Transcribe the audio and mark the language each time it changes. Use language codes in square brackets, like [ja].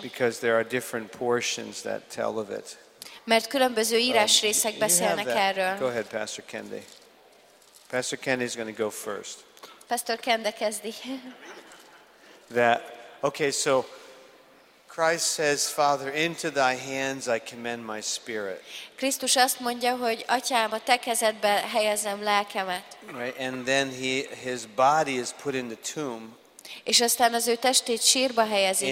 [en] Because there are different portions that tell of it. [hu] Mert különböző írásrészek beszélnek erről. [en] Go ahead, Pastor Kende. Pastor Kende is going to go first. [hu] Pastor Kende kezdi. [en] That, okay, so Christ says, Father, into thy hands I commend my spirit. [hu] Krisztus azt mondja, hogy Atyám, a te kezedbe helyezem lelkemet. [en] Right, and then his body is put in the tomb. [hu] És aztán az ő testét sírba helyezik.